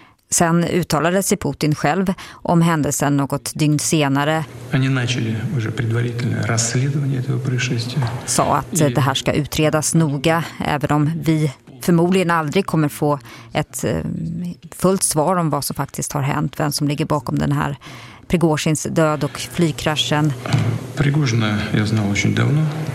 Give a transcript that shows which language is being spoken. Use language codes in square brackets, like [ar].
[sv] Sen uttalade sig Putin själv om händelsen något dygn senare. [ru] Они начали уже предварительное расследование этого происшествия. [sv] Sa att det här ska utredas noga, även om vi förmodligen aldrig kommer få ett fullt svar om vad som faktiskt har hänt, vem som ligger bakom den här Prigozhins död och flygkraschen. [ru] Prigozhina jag знал очень давно.